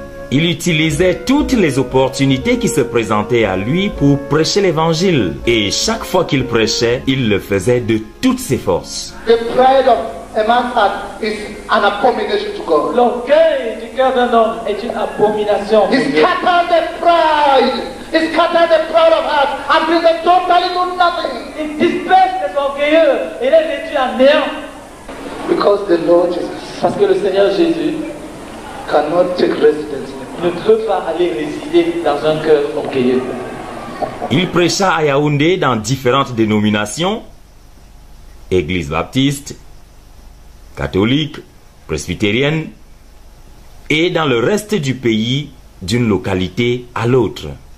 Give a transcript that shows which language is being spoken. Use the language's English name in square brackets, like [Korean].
[French] Il utilisait toutes les opportunités qui se présentaient à lui pour prêcher l'évangile. Et chaque fois qu'il prêchait, il le faisait de toutes ses forces. [English] The pride of a man's heart is an abomination to God. [French] L'orgueil du cœur d'un homme est une abomination. [English] He scattered the pride. He scattered the pride of heart and bring them totally to nothing. [French] Il disperse les orgueilleux et les réduit à néant. [English] Because the Lord Jesus, [French] parce que le Seigneur Jésus, [English] cannot take residence in [French] ne peut pas aller résider dans un cœur orgueilleux. Il prêcha à Yaoundé dans différentes dénominations, église baptiste, catholique, presbytérienne, et dans le reste du pays, d'une localité à l'autre.